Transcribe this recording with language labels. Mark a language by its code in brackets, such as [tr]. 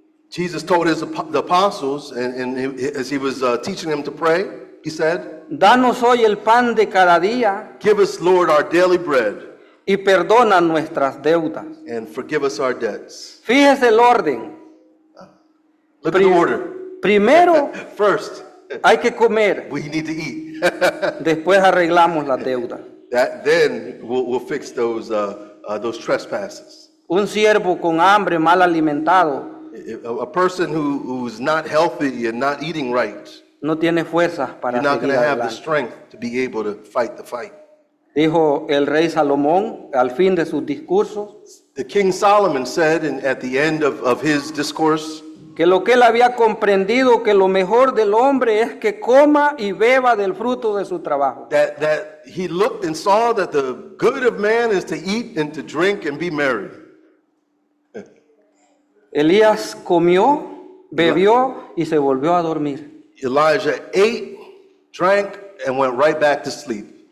[en] Jesus told the apostles, and as he was teaching them to pray, he said, [es] "Danos hoy el pan de cada día." [en] Give us, Lord, our daily bread. [es] Y perdona nuestras deudas. [en] And forgive us our debts. [es] Fíjese el orden. [en] Look at the order. [es] Primero. [en] First. [es] Hay que comer. [en] We need to eat. [es] Después arreglamos la deuda. [en] Then we'll fix those trespasses. [es] Un siervo con hambre, mal alimentado. [en] A person who's not healthy and not eating right. [es] No tiene fuerzas para seguir [en] You're not going to have the strength to be able to fight the fight. [es] Dijo el rey Salomón al fin de sus discursos. [en] The King Solomon said at the end of his discourse. [es] Que lo que él había comprendido que lo mejor del hombre es que coma y beba del fruto de su trabajo. [en] That he looked and saw that the good of man is to eat and to drink and be merry. [es] Elías comió, bebió y se volvió a dormir. [en] Elijah ate, drank and went right back to sleep.